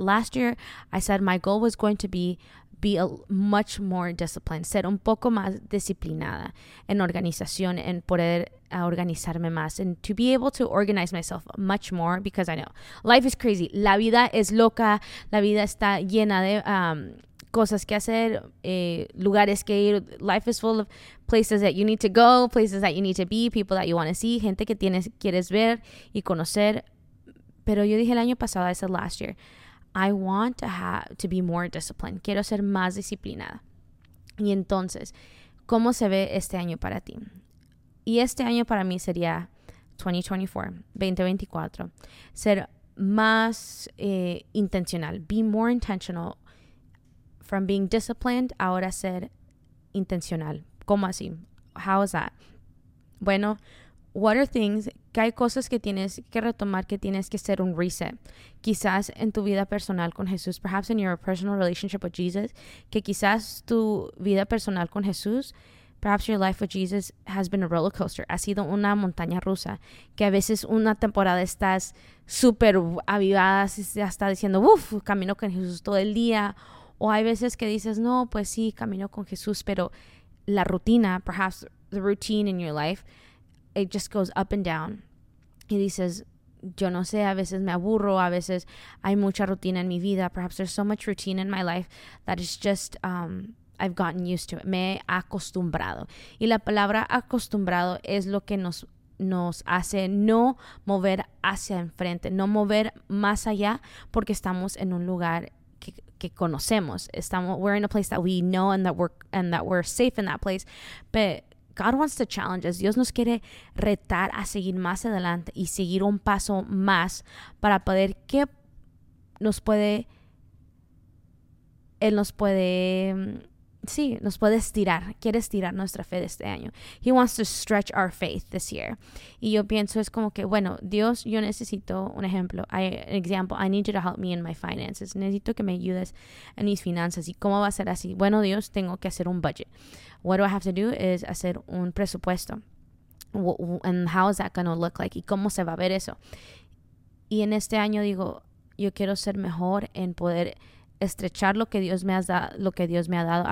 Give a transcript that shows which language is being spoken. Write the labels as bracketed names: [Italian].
[English] Last year, I said my goal was going to be a much more disciplined, [Spanish] ser un poco más disciplinada en organización, en poder organizarme más, [English] and to be able to organize myself much more, because I know life is crazy. [Spanish] La vida es loca. La vida está llena de cosas que hacer, lugares que ir. [English] Life is full of places that you need to go, places that you need to be, people that you want to see, [Spanish] gente que quieres ver y conocer. Pero yo dije el año pasado, [English] I said last year, I want to be more disciplined. [Spanish] Quiero ser más disciplinada. Y entonces, ¿cómo se ve este año para ti? Y este año para mí sería 2024, ser más intencional, [English] be more intentional, [Spanish] from being disciplined, ahora ser intencional. ¿Cómo así? [English] How is that? [Spanish] Bueno, [English] what are things, [Spanish] que hay cosas que tienes que retomar, que tienes que hacer un reset, quizás en tu vida personal con Jesús, [English] perhaps in your personal relationship with Jesus, [Spanish] que quizás tu vida personal con Jesús, [English] perhaps your life with Jesus has been a roller coaster. [Spanish] Ha sido una montaña rusa. Que a veces una temporada estás súper avivada. Ya está diciendo, uff, camino con Jesús todo el día. O hay veces que dices, no, pues sí, camino con Jesús. Pero la rutina, [English] perhaps the routine in your life, it just goes up and down. [Spanish] Y dices, yo no sé, a veces me aburro. A veces hay mucha rutina en mi vida. [English] Perhaps there's so much routine in my life that is just I've gotten used to it. [Spanish] Me he acostumbrado. Y la palabra acostumbrado es lo que nos hace no mover hacia enfrente, no mover más allá, porque estamos en un lugar que conocemos. [English] We're in a place that we know and that we're safe in that place. But God wants to challenge us. [Spanish] Dios nos quiere retar a seguir más adelante y seguir un paso más para poder que nos puede. Él nos puede. Sí, nos puede estirar. Quiere estirar nuestra fe de este año. [English] He wants to stretch our faith this year. [Spanish] Y yo pienso, es como que, bueno, Dios, yo necesito un ejemplo. [English] I need you to help me in my finances. [Spanish] Necesito que me ayudes en mis finanzas. ¿Y cómo va a ser así? Bueno, Dios, tengo que hacer un budget. [English] What do I have to do is [Spanish] hacer un presupuesto. [English] And how is that going to look like? [Spanish] ¿Y cómo se va a ver eso? Y en este año digo, yo quiero ser mejor en poder estrechar lo que Dios me ha dado.